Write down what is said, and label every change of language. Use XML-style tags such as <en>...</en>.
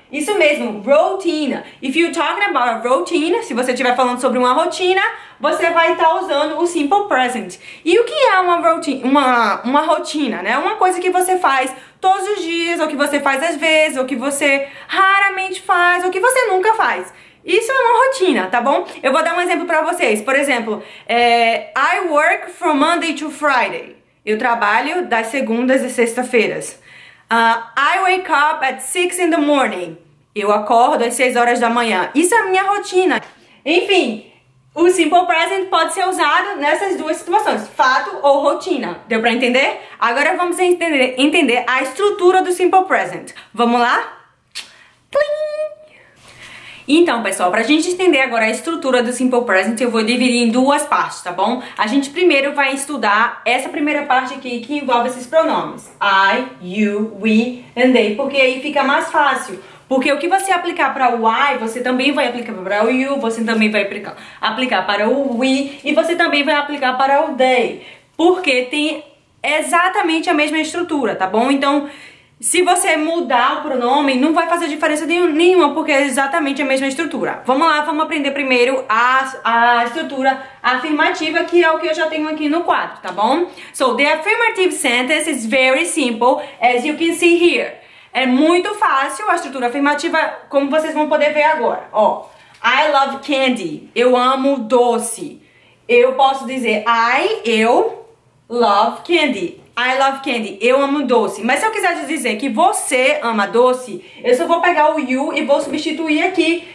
<pt>Isso mesmo, routine.</pt> <en>If you're talking about a routine,</en> <pt>se você estiver falando sobre uma rotina, você vai estar usando o simple present. E o que é uma rotina, né? Uma coisa que você faz todos os dias, ou que você faz às vezes, ou que você raramente faz, ou que você nunca faz. Isso é uma rotina, tá bom? Eu vou dar um exemplo pra vocês. Por exemplo,</pt> <en>I work from Monday to Friday.</en> <pt>Eu trabalho das segundas e sextas-feiras.</pt> <en>I wake up at 6 in the morning.</en> <pt>Eu acordo às 6 horas da manhã. Isso é a minha rotina. Enfim, o simple present pode ser usado nessas duas situações, fato ou rotina. Deu pra entender? Agora vamos entender a estrutura do simple present. Vamos lá? Plim! Então, pessoal, pra gente entender agora a estrutura do simple present, eu vou dividir em duas partes, tá bom? A gente primeiro vai estudar essa primeira parte aqui, que envolve esses pronomes. I, you, we, and they, porque aí fica mais fácil. Porque o que você aplicar para o I, você também vai aplicar para o you, você também vai aplicar para o we, e você também vai aplicar para o they. Porque tem exatamente a mesma estrutura, tá bom? Então, se você mudar o pronome, não vai fazer diferença nenhuma, porque é exatamente a mesma estrutura. Vamos lá, vamos aprender primeiro a estrutura afirmativa, que é o que eu já tenho aqui no quadro, tá bom?</pt> <en>So, the affirmative sentence is very simple, as you can see here.</en> <pt>É muito fácil a estrutura afirmativa, como vocês vão poder ver agora. Ó,</pt> <en>I love candy.</en> <pt>Eu amo doce. Eu posso dizer eu</pt> <en>love candy. I love candy,</en> <pt>eu amo doce. Mas se eu quiser dizer que você ama doce, eu só vou pegar o you e vou substituir aqui.</pt>